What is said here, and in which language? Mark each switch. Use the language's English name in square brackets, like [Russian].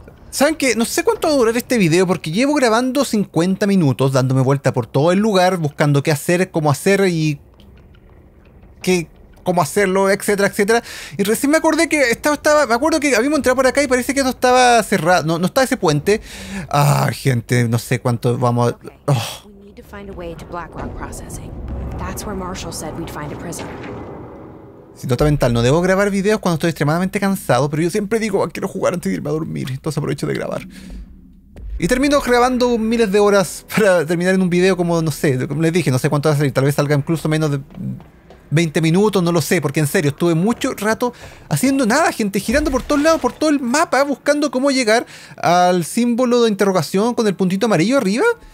[Spanish] ¿Saben qué? No sé cuánto va a durar este video porque llevo grabando 50 minutos dándome vuelta por todo el lugar, buscando qué hacer, cómo hacer y... qué... cómo hacerlo, etcétera, etcétera. Y recién me acordé que estaba... Me acuerdo que habíamos entrado por acá y parece que no estaba cerrado. No estaba ese puente. Ah, gente, no sé cuánto vamos a... Oh. [English] We need to find a way to Blackrock Processing. That's where Marshall said we'd find a prison. [Spanish] Si nota mental, no debo grabar videos cuando estoy extremadamente cansado, pero yo siempre digo, quiero jugar antes de irme a dormir. Entonces aprovecho de grabar. Y termino grabando miles de horas para terminar en un video como, no sé, como les dije, no sé cuánto va a salir. Tal vez salga incluso menos de 20 minutos, no lo sé, porque en serio, estuve mucho rato haciendo nada, gente, girando por todos lados, por todo el mapa, buscando cómo llegar al símbolo de interrogación con el puntito amarillo arriba.